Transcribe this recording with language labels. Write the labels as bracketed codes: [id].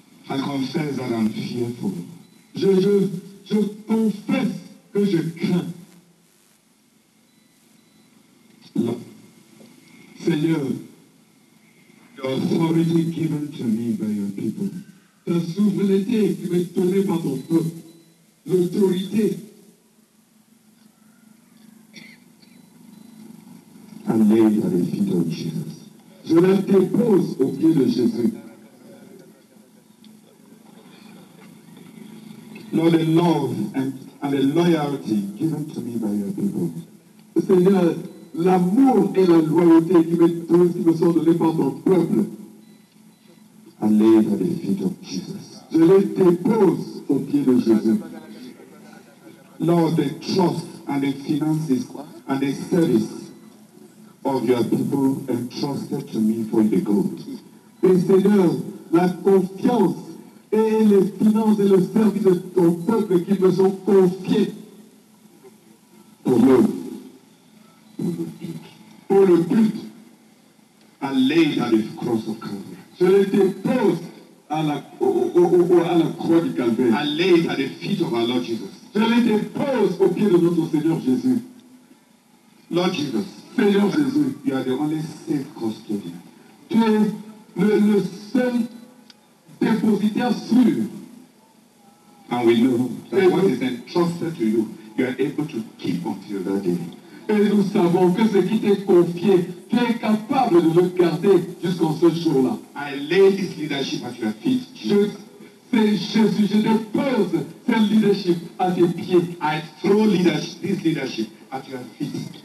[en] I confess that I'm fearful. [fr] Je confesse que je crains. Là. [en] Seigneur, your authority given to me by your people. [fr] Ta souveraineté qui m'est donnée par ton peuple. L'autorité. [en] I'm laid at the feet of Jesus. [fr] Je la dépose au pied de Jésus. [en] Lord, the love and the loyalty given to me by your people. [fr] Seigneur, l'amour et la loyauté qui me sont donnés par ton peuple. [en] I lay at the feet of Jesus. [fr] Je les dépose au pied de Jésus. [en] Lord, the trust and the finances and the service of your people entrusted to me for the gold. [fr] Et Seigneur, la confiance et les finances et le service de ton peuple qui me sont confiés pour le but. Pour le but, [en] I lay at the cross of Calvary. [fr] Je les dépose à la croix du Calvaire. [en] I lay at the feet of our Lord Jesus. [fr] Je les dépose au pied de notre Seigneur Jésus. [en] Lord Jesus. [fr] Seigneur Jésus, [en] you are the only safe custodian. [fr] Tu es le seul dépositaire sûr. [en] And we know that what is entrusted to you, you are able to keep until that day. [fr] Et nous savons que ce qui t'est confié, tu es capable de le garder jusqu'en ce jour-là. [en] I lay this leadership at your feet, Jesus. [fr] C'est Jésus, je dépose ce leadership à tes pieds. [en] I throw leadership, this leadership at your feet.